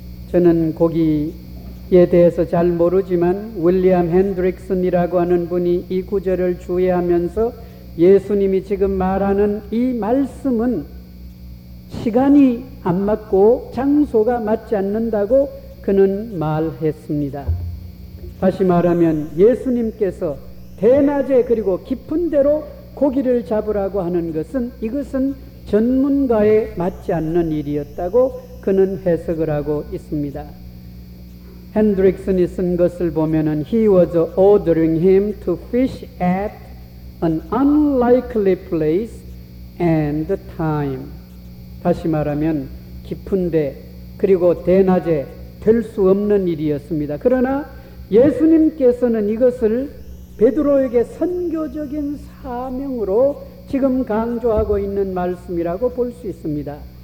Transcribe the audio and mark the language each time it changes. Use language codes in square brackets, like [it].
[ko] 저는 고기 에 대해서 잘 모르지만 윌리엄 핸드릭슨이라고 하는 분이 이 구절을 주의하면서 예수님이 지금 말하는 이 말씀은 시간이 안 맞고 장소가 맞지 않는다고 그는 말했습니다. 다시 말하면 예수님께서 대낮에 그리고 깊은 데로 고기를 잡으라고 하는 것은 이것은 전문가에 맞지 않는 일이었다고 그는 해석을 하고 있습니다. 핸드릭슨이 쓴 것을 보면은 [en] He was ordering him to fish at an unlikely place and time. [ko] 다시 말하면 깊은데 그리고 대낮에 될 수 없는 일이었습니다. 그러나 예수님께서는 이것을 베드로에게 선교적인 사람 사명으로 지금 강조하고 있는 말씀이라고 볼 수 있습니다.